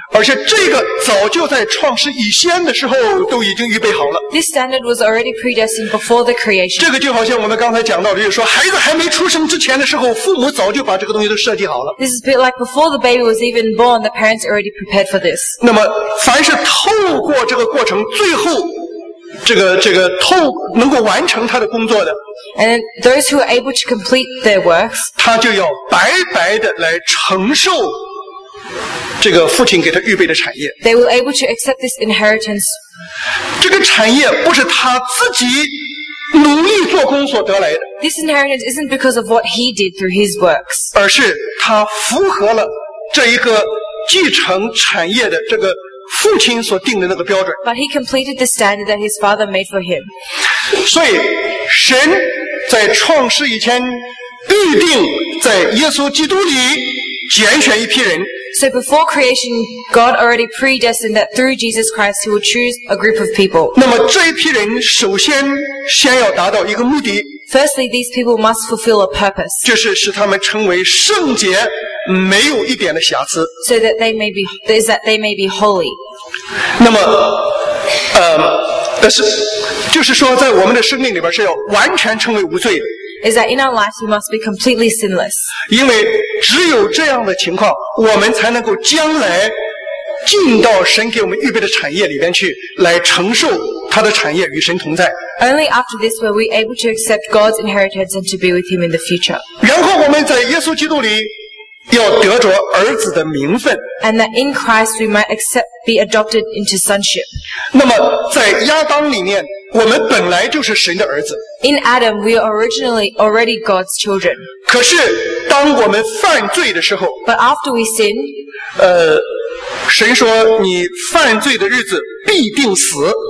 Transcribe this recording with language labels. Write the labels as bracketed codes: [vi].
[zh] 而且这个早就在创世以先的时候都已经预备好了。 [en] This standard was already predestined before the creation. [zh] 这个就好像我们刚才讲到的，就是说孩子还没出生之前的时候，父母早就把这个东西都设计好了。 [en] This is a bit like before the baby was even born, the parents already prepared for this. [zh] 那么凡是透过这个过程，最后这个透能够完成他的工作的。 [en] And those who are able to complete their works, [zh] 他就要白白的来承受。这个父亲给他预备的产业 [en] They were able to accept this inheritance [zh] 这个产业不是他自己努力做工所得来的 [en] This inheritance isn't because of what he did through his works [zh] 而是他符合了这一个继承产业的这个父亲所定的那个标准 [en] But he completed the standard that his father made for him [zh] 所以神在创世以前预定在耶稣基督里拣选一批人。 [en] So before creation, God already predestined that through Jesus Christ, He would choose a group of people. [zh] 那么这一批人首先先要达到一个目的。 [en] Firstly, these people must fulfill a purpose. [zh] 就是使他们成为圣洁，没有一点的瑕疵。 [en] So that they may be, is that they may be holy. [zh] 那么，就是说，在我们的生命里边是要完全成为无罪的。 [en] Is that in our life we must be completely sinless? [zh] 因为只有这样的情况，我们才能够将来进到神给我们预备的产业里边去，来承受他的产业与神同在。 [en] Only after this were we able to accept God's inheritance and to be with Him in the future. [zh] 然后我们在耶稣基督里要得着儿子的名分。 [en] And that in Christ we might accept be adopted into sonship. [zh] 那么在亚当里面。我们本来就是神的儿子。 [en] In Adam, we are originally already God's children. [zh] 可是当我们犯罪的时候 [en] But after we sin, [zh] 神说你犯罪的日子必定死。